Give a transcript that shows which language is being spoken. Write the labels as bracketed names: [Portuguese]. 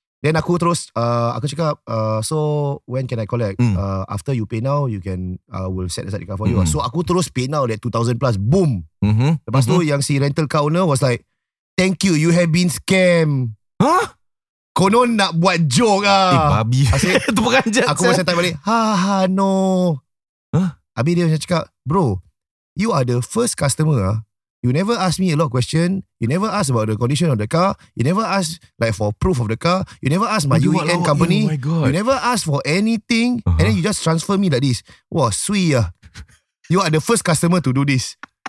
[English] Then [Malay] aku terus, aku cakap, [English] so when can I collect? After you pay now, you can, we'll set aside the car for you. So [Malay] aku terus [English] pay now that $2,000 plus, boom. [Malay] Lepas tu yang si [English] rental car owner was like, thank you have been scammed. Huh? [Malay] Konon nak buat joke lah. Eh, babi. Itu bukan jat. Aku masih tanya balik, haha, [English] no. [Malay] Habis dia macam cakap, [English] bro, you are the first customer lah. You never ask me a lot of question. You never ask about the condition of the car. You never ask like for proof of the car. You never ask my UAN company. Oh my God. You never ask for anything. And then you just transfer me like this. [Malay] Wah, sui lah. [English] You are the first customer to do this.